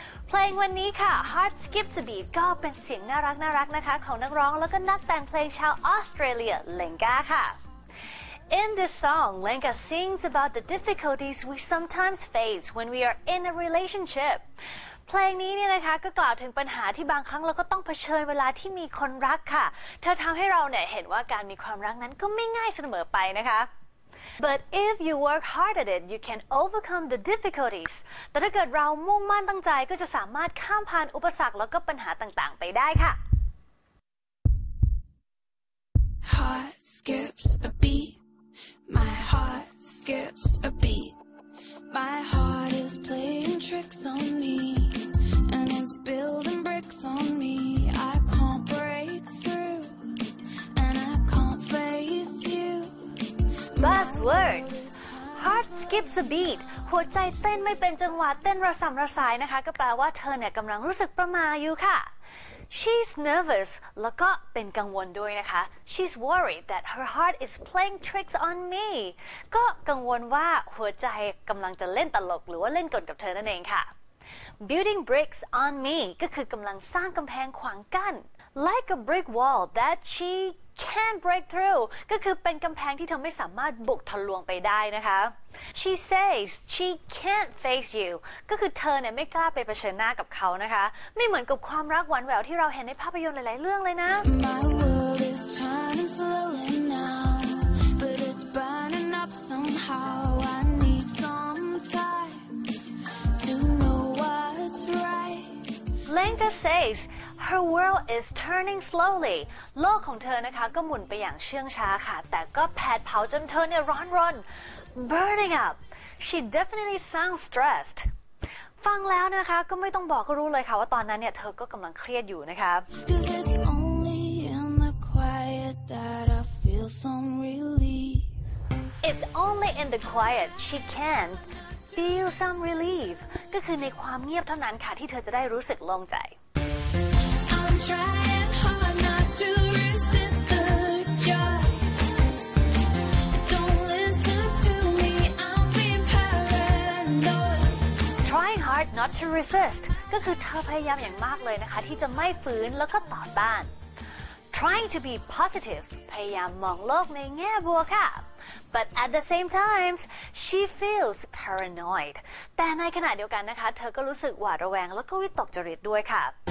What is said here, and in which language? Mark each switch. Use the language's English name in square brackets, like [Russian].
[Thai] Playing วันนี้ค่ะ Heart Skips a Beat ก็เป็นเสียงน่ารักน่ารักนะคะของนักร้องแล้วก็นักแต่งเพลงชาวออสเตรเลีย Lenka ค่ะ [English] In this song, Lenka sings about the difficulties we sometimes face when we are in a relationship. [Thai] เพลงนี้เนี่ยนะคะก็กล่าวถึงปัญหาที่บางครั้งเราก็ต้องเผชิญเวลาที่มีคนรักค่ะเธอทำให้เราเนี่ยเห็นว่าการมีความรักนั้นก็ไม่ง่ายเสมอไปนะคะ [English] But if you work hard at it, you can overcome the difficulties. [Thai] แต่ถ้าเกิดเรามุ่งมั่นตั้งใจก็จะสามารถข้ามผ่านอุปสรรคแล้วก็ปัญหาต่างๆไปได้ค่ะ [English] Heart skips a beat. My heart skips a beat. My heart is playing tricks on me and it's building bricks on me. I can't break through and I can't face you. [Thai] Buzzword Heart skips a beat หัวใจเต้นไม่เป็นจังหวะเต้นระส่ำระสายนะคะก็แปลว่าเธอเนี่ยกำลังรู้สึกประมาอยู่ค่ะ [English] She's nervous [Thai] แล้วก็เป็นกังวลด้วยนะคะ [English] She's worried that her heart is playing tricks on me [Thai] ก็กังวลว่าหัวใจกำลังจะเล่นตลกหรือว่าเล่นกลกับเธอนั่นเองค่ะ [English] Building bricks on me [Thai] ก็คือกำลังสร้างกำแพงขวางกั้น [English] Like a brick wall that sheCan't break through [Thai] ก็คือเป็นกำแพงที่เธอไม่สามารถบุกทะลวงไปได้นะคะ [English] She says she can't face you [Thai] ก็คือเธอเนี่ยไม่กล้าไปเผชิญหน้ากับเขานะคะไม่เหมือนกับความรักหวานแหววที่เราเห็นในภาพยนตร์หลายๆเรื่องเลยนะ [English] My world is turning slowly now But it's burning up somehow I need some time to know what's right Lenka saysHer world is turning slowly. [Thai] โลกของเธอนะคะก็หมุนไปอย่างเชื่องช้าค่ะแต่ก็แผดเผาจนเธอเนี่ยร้อนรน [English] burning up. She definitely sounds stressed. [Thai] ฟังแล้วนะคะก็ไม่ต้องบอกก็รู้เลยค่ะว่าตอนนั้นเนี่ยเธอก็กำลังเครียดอยู่นะคะ [English] Cause it's only in the quiet that I feel some relief. It's only in the quiet she can feel some relief. [Thai] ก็คือในความเงียบเท่านั้นค่ะที่เธอจะได้รู้สึกโล่งใจ [English] Trying hard not to resist the joy Don't listen to me, I'll be paranoid Trying hard not to resist [Thai] ก็คือเธอพยายามอย่างมากเลยนะคะที่จะไม่ฝืนแล้วก็ต่อต้าน [English] Trying to be positive [Thai] พยายามมองโลกในแง่บวกค่ะ [English] But at the same time she feels paranoid [Thai] แต่ในขณะเดียวกันนะคะเธอก็รู้สึกหวาดระแวงแล้วก็วิตกจริตด้วยค่ะ